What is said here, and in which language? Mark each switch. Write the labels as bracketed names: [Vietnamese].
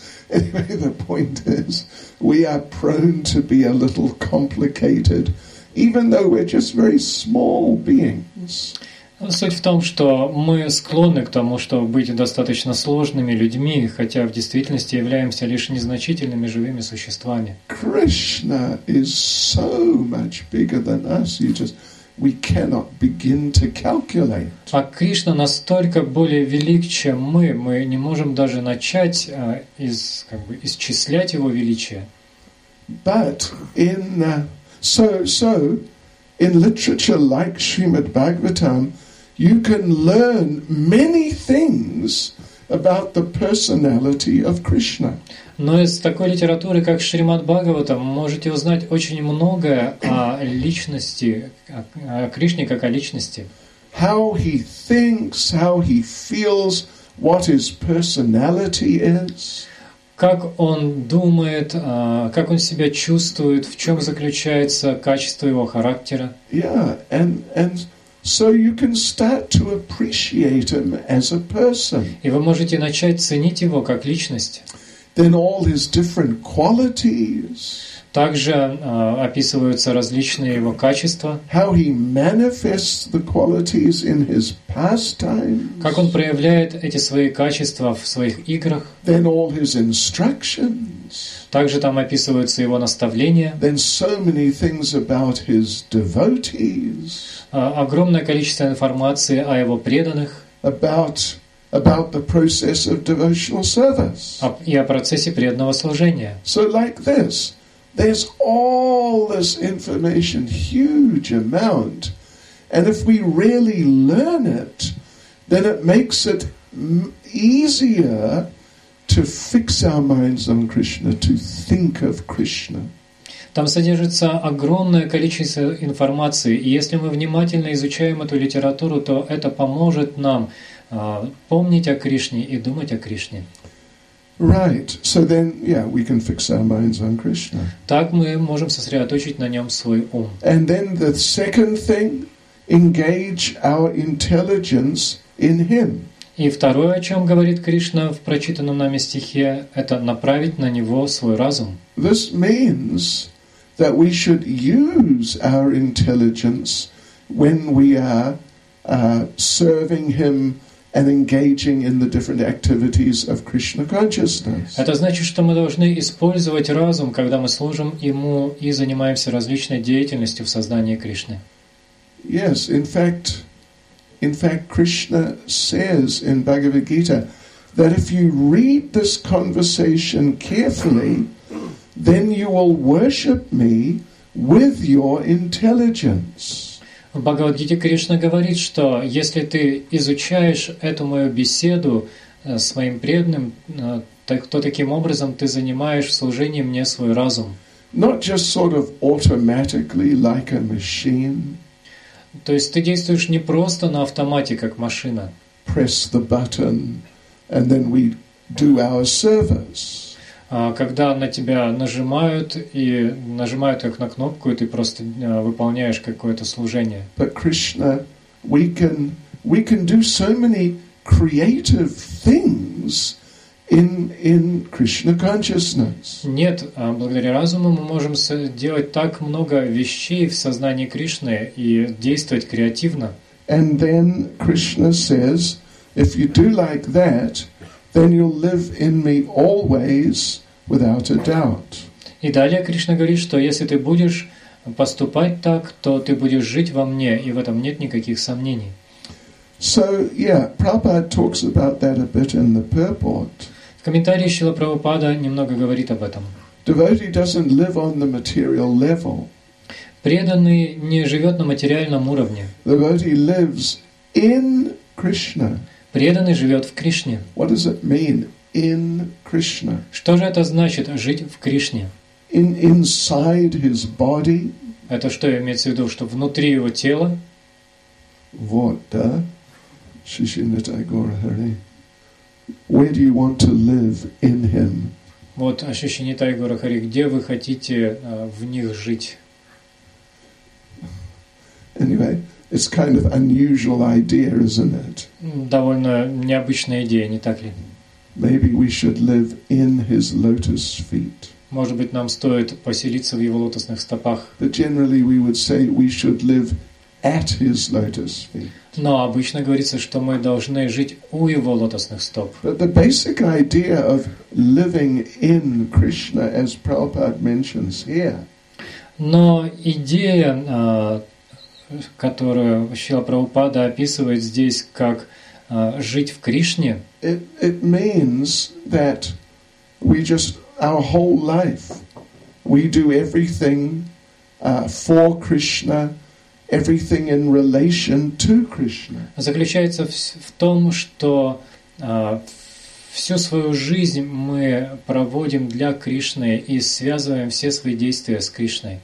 [English] Anyway, the point is, we are prone to be a little complicated, even though we're just very small beings. [Russian] Суть в том, что мы склонны к тому, чтобы быть достаточно сложными людьми, хотя в действительности являемся лишь незначительными живыми существами. [English] Krishna is so much bigger than us. We cannot begin to calculate. [Russian] А Кришна настолько более велик, чем мы не можем даже начать исчислять его величие. [English] But in so in literature like Srimad Bhagavatam, you can learn many things about the personality of Krishna. [Russian] Но из такой литературы, как Шримад Бхагаватам, можете узнать очень многое о личности, о Кришне как о личности. [English] How he thinks, how he feels, what his personality is. [Russian] Как он думает, как он себя чувствует, в чем заключается качество его характера. [English] Yeah, and so you can start to appreciate him as a person. [Russian] И вы можете начать ценить его как личность. [English] Then all his different qualities. [Russian] Также описываются различные его качества. [English] How he manifests the qualities in his pastimes. [Russian] Как он проявляет эти свои качества в своих играх. [English] Then all his instructions. [Russian] Также там описываются его наставления. [English] Then so many things about his devotees. [Russian] Огромное количество информации о его преданных. [English] About the process of devotional service. [Russian] И о процессе преданного служения. [English] So like this, there's all this information, huge amount, and if we really learn it, then it makes it easier to fix our minds on Krishna, to think of Krishna. [Russian] Там содержится огромное количество информации, и если мы внимательно изучаем эту литературу, то это поможет нам помнить о Кришне и думать о Кришне. [English] Right. So then, yeah, we can fix our minds on Krishna. [Russian] Так мы можем сосредоточить на нем свой ум. [English] And then the second thing, engage our intelligence in him. [Russian] И второе, о чем говорит Кришна в прочитанном нами стихе, это направить на него свой разум. [English] This means that we should use our intelligence when we are serving him and engaging in the different activities of Krishna consciousness. [Russian] Это значит, что мы должны использовать разум, когда мы служим ему и занимаемся различной деятельностью в сознании Кришны. [English] Yes, in fact, Krishna says in Bhagavad Gita that if you read this conversation carefully, then you will worship me with your intelligence. [Russian] В Бхагавад-гите Кришна говорит, что если ты изучаешь эту мою беседу с моим преданным, то таким образом ты занимаешь в служении мне свой разум. [English] Not just sort of automatically, like a machine. [Russian] То есть ты действуешь не просто на автомате, как машина. [English] Press the button, and then we do our service. [Russian] Когда на тебя нажимают, и нажимают как на кнопку, и ты просто выполняешь какое-то служение. [English] But Krishna, we can do so many creative things in Krishna consciousness. [Russian] Нет, благодаря разуму мы можем делать так много вещей в сознании Кришны и действовать креативно. [English] And then Krishna says, if you do like that, then you'll live in me always, without a doubt. [Russian] И далее Кришна говорит, что если ты будешь поступать так, то ты будешь жить во мне, и в этом нет никаких сомнений. [English] So, yeah, Prabhupada talks about that a bit in the purport. [Russian] В комментарии Шрила Прабхупада немного говорит об этом. [English] Devotee doesn't live on the material level. [Russian] Преданный не живет на материальном уровне. [English] Devotee lives in Krishna. [Russian] Преданный живет в Кришне. [English] What does it mean? In Krishna. [Russian] Что же это значит жить в Кришне? [English] Inside his body. [Russian] Это что имеется в виду, что внутри его тела? Вот, да. Шишинатай Гора Хари. [English] Where do you want to live in him? [Russian] Вот, Шишинатай Гора Хари, где вы хотите в них жить? [English] Anyway, it's kind of unusual idea, isn't it? [Russian] Довольно необычная идея, не так ли? [English] Maybe we should live in his lotus feet. [Russian] Может быть, нам стоит поселиться в его лотосных стопах. [English] But generally we would say we should live at his lotus feet. [Russian] Но обычно говорится, что мы должны жить у его лотосных стоп. [English] But the basic idea of living in Krishna, as Prabhupada mentions here. [Russian] Но идея, которую Шрила Прабхупада описывает здесь как жить в Кришне. [English] It means that we just our whole life we do everything for Krishna, everything in relation to Krishna. [Russian] Заключается в том, что всю свою жизнь мы проводим для Кришны и связываем все свои действия с Кришной.